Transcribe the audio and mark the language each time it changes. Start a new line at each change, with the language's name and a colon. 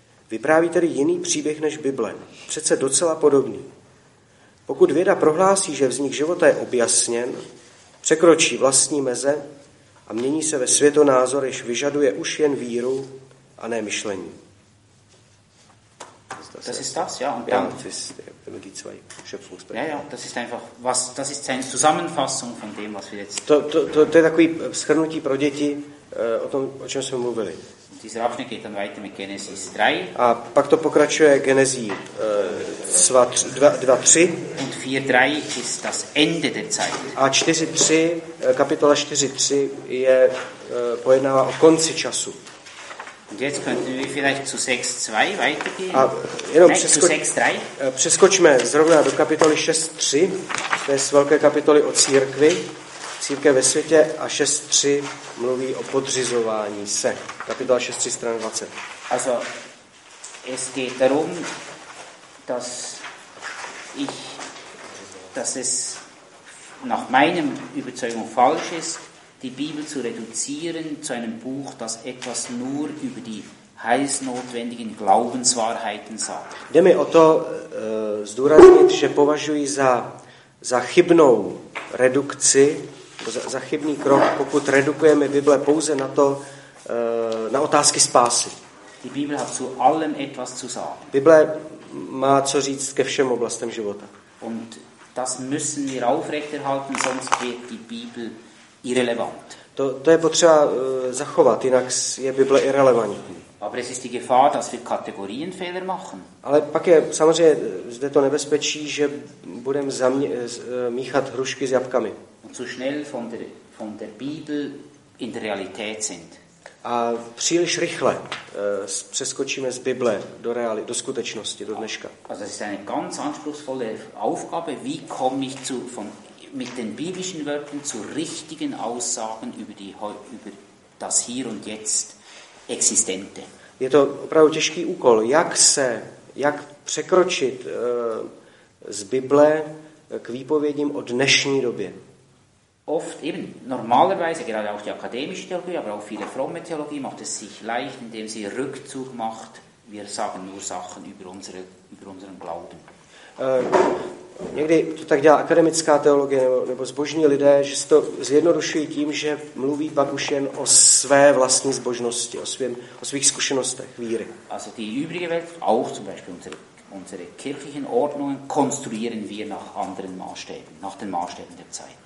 Czech: Vypráví tedy jiný příběh než Bible, přece docela podobný. Pokud věda prohlásí, že vznik života je objasněn, překročí vlastní meze a mění se ve světonázor, jež vyžaduje už jen víru a ne myšlení.
German: Das ist das, ja. Und dann, das ist die zwei Schöpfungsberichte. Ja, das ist einfach, was, das ist eine Zusammenfassung von dem, was wir jetzt...
Czech: To je takový shrnutí pro děti, o tom, o čem jsme mluvili.
German: Dieser Abschnitt geht dann weiter mit Genesis 3.
Czech: A pak to pokračuje Genesí 2.3.
German: Und 4.3 ist das Ende der Zeit.
Czech: A 4.3, kapitola 4.3 je pojednává o konci času.
German: Und jetzt könnten wir vielleicht zu 6.2 weitergehen.
Czech: A jenom přeskočme zrovna do kapitoly 6.3, to je z velké kapitoly o církvi. Církev ve světě a 6.3 mluví o podřizování se. Kapitola 6.3, strana 20.
German: Also, es geht darum, dass ich, dass es nach meinem Überzeugung falsch ist, die Bibel zu reduzieren zu einem Buch, das etwas nur über die heilsnotwendigen Glaubenswahrheiten sagt.
Czech: Jde mi o to zdůraznit, že považuji za chybnou redukci, za chybný krok, pokud redukujeme Bible pouze na to, na otázky spásy.
German: Die Bibel hat zu allem etwas zu sagen.
Czech: Bible má co říct ke všem oblastem života.
German: Und das müssen wir aufrechterhalten, sonst wird die Bibel irrelevant.
Czech: To je potřeba zachovat, jinak je Bible irrelevantní.
German: Aber es ist die Gefahr, dass wir Kategorienfehler machen.
Czech: Ale pak je samozřejmě zde to nebezpečí, že budeme míchat hrušky s jabkami.
German: Und zu schnell von der Bibel in der Realität sind.
Czech: A příliš rychle přeskočíme z Bible do reality, do skutečnosti, do dneška.
German: Also es ist eine ganz anspruchsvolle Aufgabe, wie komme ich zu von mit den biblischen Wörtern zu richtigen Aussagen über die über das hier und jetzt existente.
Czech: Je to opravdu těžký úkol, jak překročit z Bible k výpovědím o dnešní době.
German: Oft eben normalerweise gerade auch die akademische Theologie, aber auch viele fromme Theologie macht es sich leicht, indem sie Rückzug macht. Wir sagen nur Sachen über unseren Glauben.
Czech: Někdy to tak dělá akademická teologie nebo zbožní lidé, že si to zjednodušují tím, že mluví pak už jen o své vlastní zbožnosti, o svých zkušenostech víry.
German: Also die übrige Welt, auch zum Beispiel unsere kirchlichen Ordnungen, konstruieren wir nach anderen Maßstäben, nach den Maßstäben der Zeit.